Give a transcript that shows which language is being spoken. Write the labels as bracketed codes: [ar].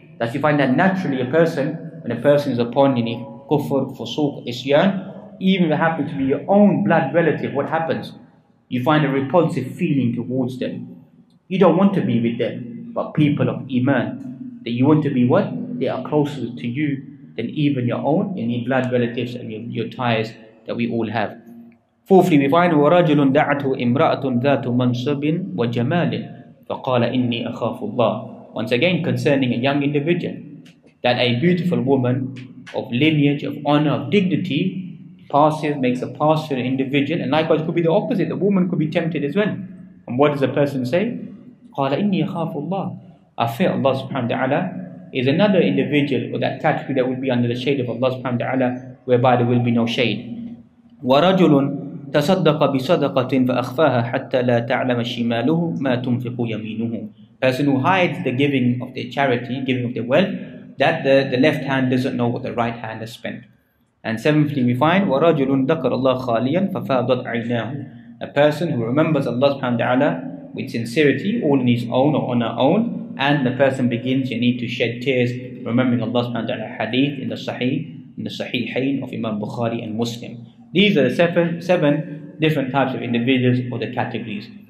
[en] That you find that naturally a person, when a person is upon any kufr, fusuq, isyan, even if it happens to be your own blood relative, what happens? You find a repulsive feeling towards them. You don't want to be with them, but people of Iman, that you want to be what? They are closer to you. than even your own. You need blood relatives and your ties that we all have. Fourthly, we find [ar] وَرَجُلٌ دَعَتُهُ إِمْرَأَةٌ ذَاتُ مَنْصَبٍ وَجَمَالٍ فَقَالَ إِنِّي أَخَافُ اللَّهِ. [en] Once again, concerning a young individual, that a beautiful woman of lineage, of honor, of dignity, passes, makes a pass to an individual, and likewise could be the opposite, the woman could be tempted as well. And what does the person say? [ar] قَالَ إِنِّي أَخَافُ اللَّهِ. [en] I fear Allah subhanahu wa ta'ala. Is another individual or that category that will be under the shade of Allah subhanahu wa ta'ala, whereby there will be no shade. [ar] وَرَجُلٌ تَصَدَّقَ بِصَدَقَةٍ فَأَخْفَاهَا حَتَّى لَا تَعْلَمَ شِمَالُهُ مَا تُنْفِقُ يَمِينُهُ. [en] Person who hides the giving of their charity, giving of their wealth, that the left hand doesn't know what the right hand has spent. And seventhly, we find [ar] وَرَجُلٌ ذَكَرَ اللَّهَ خَالِيًا فَفَاضَتْ عَيْنَاهُ. [en] A person who remembers Allah subhanahu wa ta'ala with sincerity, all in his own or on her own, and the person begins, you need to shed tears, remembering Allah subhanahu wa ta'ala hadith in the Sahihain of Imam Bukhari and Muslim. These are the seven different types of individuals or the categories.